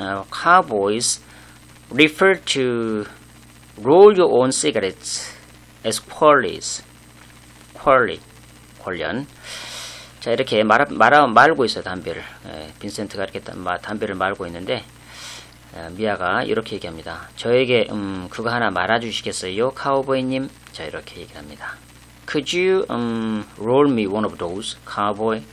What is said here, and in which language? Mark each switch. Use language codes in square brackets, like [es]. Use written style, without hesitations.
[en] Cowboys refer to roll your own cigarettes as qualies. [ko] Quarly, 권련. 자, 이렇게 말고 있어요, 담배를. 예, 빈센트가 이렇게 담배를 말고 있는데, 예, 미아가 이렇게 얘기합니다. 저에게, 그거 하나 말아주시겠어요, 카우보이님? 자, 이렇게 얘기합니다. [en] Could you, roll me one of those, cowboy?